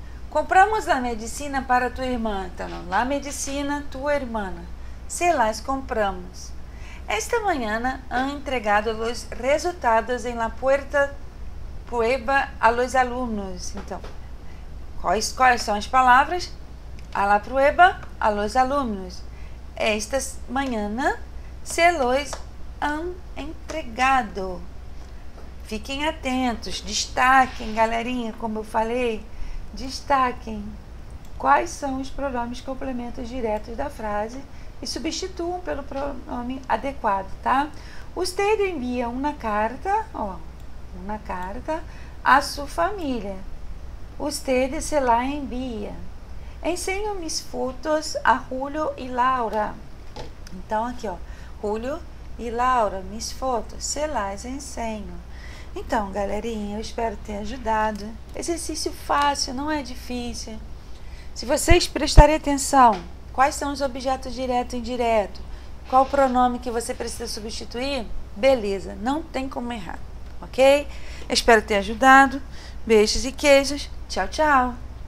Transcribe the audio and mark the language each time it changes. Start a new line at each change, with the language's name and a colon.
Spanish: Compramos la medicina para
Portuguese: tua irmã. Então, não. La medicina, tua irmã.
Spanish: Se las compramos. Esta mañana han entregado los resultados en la puerta prueba a los alumnos.
Portuguese: Então, quais são as palavras?
Spanish: A la prueba a los alumnos. Esta mañana se los han entregado.
Portuguese: Fiquem atentos, destaquem, galerinha, como eu falei, destaquem quais são os pronomes complementos diretos da frase e substituam pelo pronome adequado, tá?
Spanish: Usted envia
Portuguese: uma carta, ó, uma carta à sua família.
Spanish: Usted se la envia. Enseño mis fotos a Julio y Laura.
Portuguese: Então, aqui, ó. Julio y Laura, mis fotos.
Spanish: Se las enseño.
Portuguese: Então, galerinha, eu espero ter ajudado. Exercício fácil, não é difícil. Se vocês prestarem atenção, quais são os objetos direto e indireto? Qual o pronome que você precisa substituir? Beleza, não tem como errar, ok? Eu espero ter ajudado. Beijos e queijos. Tchau, tchau.